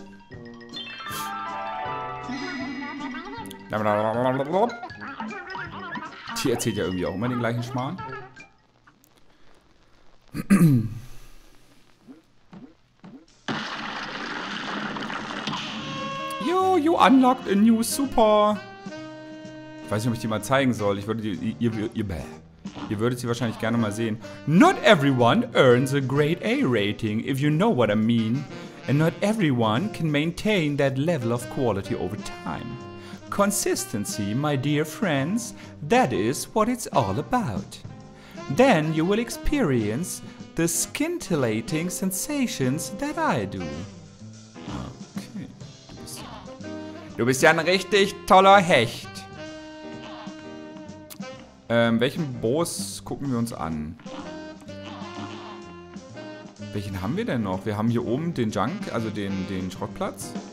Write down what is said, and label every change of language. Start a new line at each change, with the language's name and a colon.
German: Die erzählt ja irgendwie auch immer den gleichen Schmarrn.
English: Yo, you unlocked a new Super.
German: Ich weiß nicht, ob ich die mal zeigen soll. Ich würde die... Ihr würdet sie wahrscheinlich gerne mal sehen.
English: Not everyone earns a grade A rating, if you know what I mean. And not everyone can maintain that level of quality over time. Consistency, my dear friends, that is what it's all about. Then you will experience the scintillating sensations that I do.
German: Okay. Du bist ja ein richtig toller Hecht. Welchen Boss gucken wir uns an? Welchen haben wir denn noch? Wir haben hier oben den Junk, also den Schrottplatz.